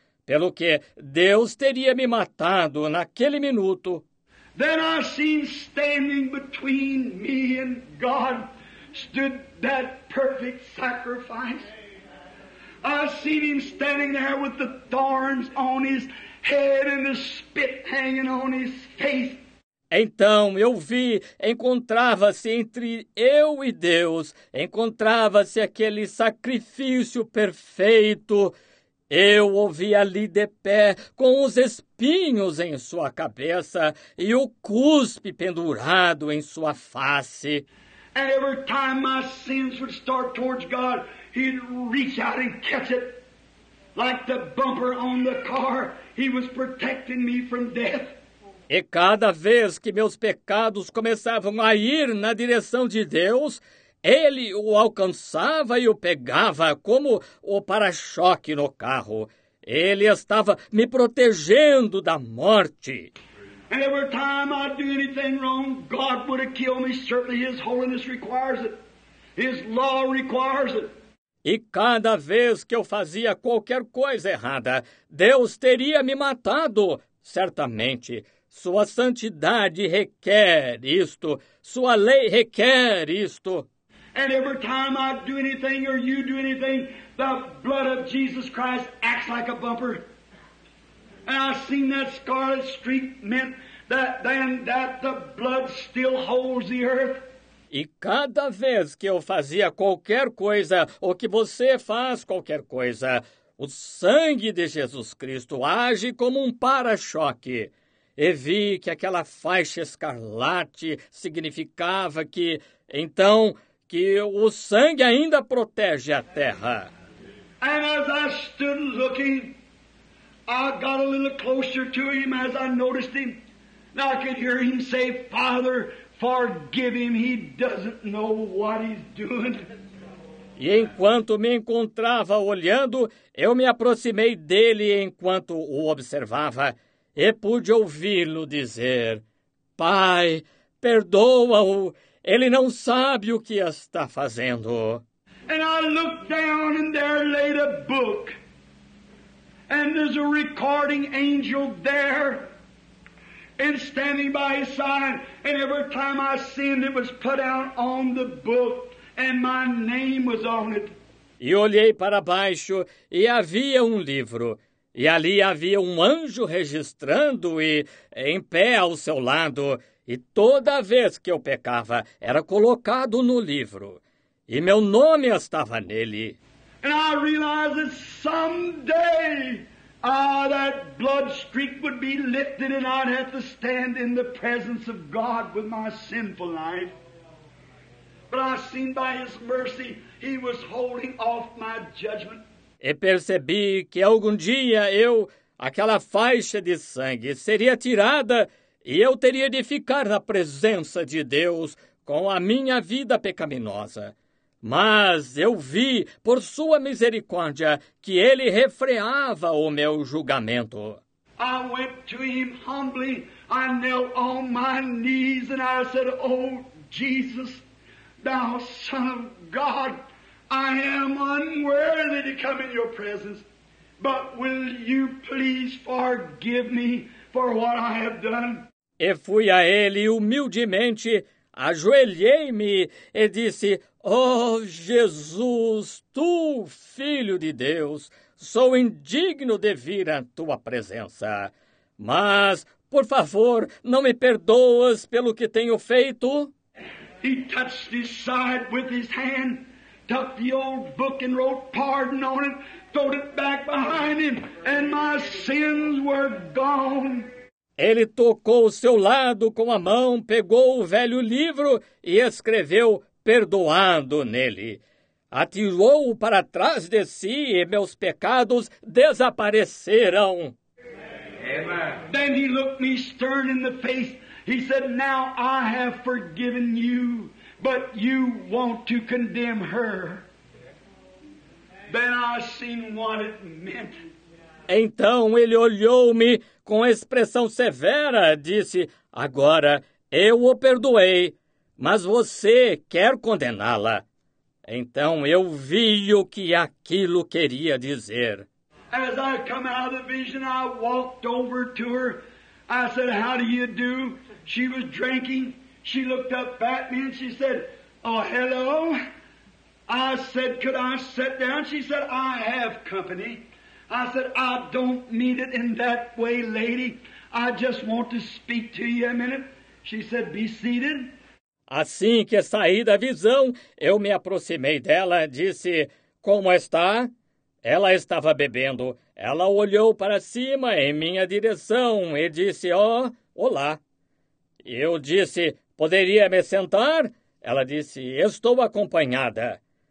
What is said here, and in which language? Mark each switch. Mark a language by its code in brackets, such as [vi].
[pt] Pelo que Deus teria me matado naquele minuto. [en] Then I seen standing between me and God stood that perfect sacrifice. I seen him standing there with the thorns on his head and the spit hanging on his face. [pt] Então eu vi, encontrava-se entre eu e Deus, encontrava-se aquele sacrifício perfeito. Eu o vi ali de pé, com os espinhos em sua cabeça e o cuspe pendurado em sua face. [en] And every time my sins would start towards God, he'd reach out and catch it. Like the bumper on the car, he was protecting me from death. [pt] E cada vez que meus pecados começavam a ir na direção de Deus, ele o alcançava e o pegava como o para-choque no carro. Ele estava me protegendo da morte. [en] And every time I do anything wrong, God would have killed me. Certainly his holiness requires it. His law requires it. [pt] E cada vez que eu fazia qualquer coisa errada, Deus teria me matado, certamente. Sua santidade requer isto. Sua lei requer isto. [en] And every time I do anything or you do anything, the blood of Jesus Christ acts like a bumper. And I've seen that scarlet streak meant that then that the blood still holds the earth. [pt] E cada vez que eu fazia qualquer coisa, ou que você faz qualquer coisa, o sangue de Jesus Cristo age como um para-choque. E vi que aquela faixa escarlate significava que, então, que o sangue ainda protege a terra. [en] And as I stood looking, I got a little closer to him as I noticed him. Now I could hear him say, Father, forgive him, he doesn't know what he's doing. [pt] E enquanto me encontrava olhando, eu me aproximei dele enquanto o observava e pude ouvi-lo dizer, Pai, perdoa-o, ele não sabe o que está fazendo. [en] And I looked down and there lay the book. And there's a recording angel there. And standing by his side, and every time I sinned, it was put out on the book, and my name was on it. [pt] E olhei para baixo e havia um livro. E ali havia um anjo registrando e em pé ao seu lado. E toda vez que eu pecava, era colocado no livro. E meu nome estava nele. [en] And I realized that someday, that blood streak would be lifted and I'd have to stand in the presence of God with my sinful life. But I seen by His mercy, He was holding off my judgment. [pt] E percebi que algum dia eu, aquela faixa de sangue, seria tirada e eu teria de ficar na presença de Deus com a minha vida pecaminosa. Mas eu vi, por sua misericórdia, que ele refreava o meu julgamento. [en] I went to him humbly. I knelt on my knees and I said, Oh, Jesus, thou Son of God, I am unworthy to come in your presence. But will you please forgive me for what I have done? [pt] E fui a ele humildemente, ajoelhei-me e disse, Oh, Jesus, Tu, Filho de Deus, sou indigno de vir à Tua presença. Mas, por favor, não me perdoas pelo que tenho feito? [en] He touched his side with his hand, tucked the old book and wrote pardon on it, threw it back behind him, and my sins were gone. [pt] Ele tocou o seu lado com a mão, pegou o velho livro e escreveu perdoando nele. Atirou-o para trás de si e meus pecados desapareceram. [en] Then he looked me stern in the face. He said, Now I have forgiven you, but you want to condemn her. Then I seen what it meant. [pt] Então ele olhou-me com expressão severa, disse, Agora eu o perdoei. Mas você quer condená-la. Então eu vi o que aquilo queria dizer. [en] As I come out of the vision, I walked over to her. I said, How do you do? She was drinking. She looked up at me and she said, Oh, hello. I said, Could I sit down? She said, I have company. I said, I don't mean it in that way, lady. I just want to speak to you a minute. She said, Be seated. [pt] Assim que saí da visão, eu me aproximei dela, disse, Como está? Ela estava bebendo. Ela olhou para cima em minha direção e disse, Oh, olá. Eu disse, Poderia me sentar? Ela disse, Estou acompanhada.